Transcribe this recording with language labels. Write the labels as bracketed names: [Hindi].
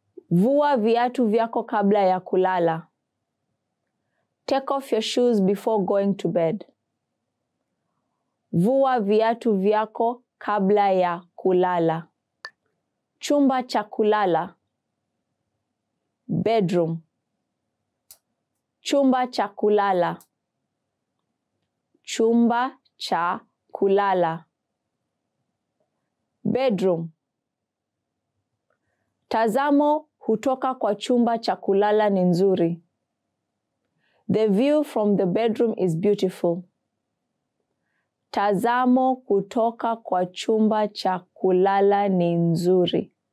[Swahili] Vua viatu vyako kabla ya kulala. [English] Take off your shoes before going to bed. [Swahili] Vua viatu vyako kabla ya kulala. Chumba cha kulala. [English] Bedroom. [Swahili] Chumba cha kulala. Chumba cha kulala. [English] Bedroom. [Swahili] Tazamo hutoka kwa chumba cha kulala ni nzuri. [English] The view from the bedroom is beautiful. [Swahili] Tazamo kutoka kwa chumba cha kulala ni nzuri.